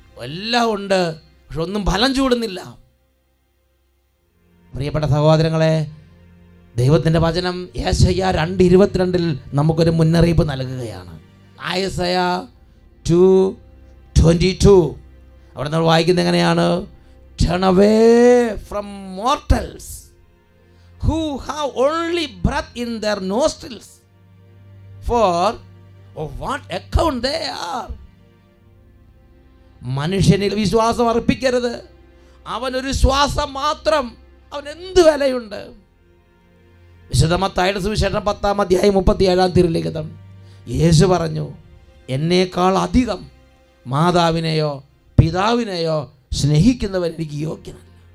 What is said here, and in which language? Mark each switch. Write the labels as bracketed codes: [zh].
[ml] എല്ലാം ഉണ്ട്, പക്ഷെ ഒന്നും ഫലം ചൂടുന്നില്ല. പ്രിയപ്പെട്ട സഹോദരങ്ങളെ, ദൈവത്തിൻ്റെ വചനം യെശയ്യ 2:22 നമുക്കൊരു മുന്നറിയിപ്പ് നൽകുകയാണ്. യെശയ്യ 2:22 അവിടെ നമ്മൾ വായിക്കുന്നത് എങ്ങനെയാണ്? [en] Turn away from mortals who have only breath in their nostrils, for of what account they are. [ml] മനുഷ്യനിൽ വിശ്വാസം അർപ്പിക്കരുത്. അവനൊരു ശ്വാസം മാത്രം, അവൻ എന്ത് വിലയുണ്ട്? വിശുദ്ധ മത്തായിയുടെ സുവിശേഷം 10:37 തിരുലിഖിതം, യേശു പറഞ്ഞു, എന്നേക്കാൾ അധികം മാതാവിനെയോ പിതാവിനെയോ സ്നേഹിക്കുന്നവൻ എനിക്ക് യോഗ്യനല്ല.